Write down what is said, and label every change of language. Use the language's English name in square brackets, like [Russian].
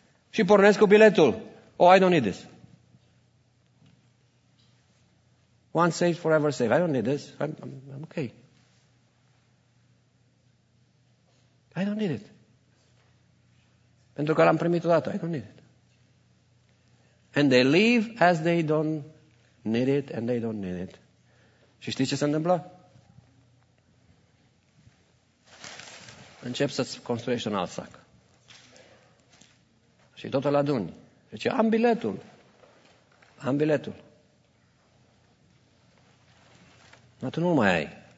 [Romanian] Și pornesc cu biletul. [English] Oh, I don't need this. Once saved, forever saved. I don't need this. I'm okay. I don't need it. [Romanian] Pentru că l-am primit odată. [English] I don't need it. And they leave as they don't need it and they don't need it. [Romanian] Și știi ce se întâmplă? Încep să-ți construiești un alt sac. Și tot îl aduni. Zice, am biletul. Am biletul. Dar tu nu mai ai.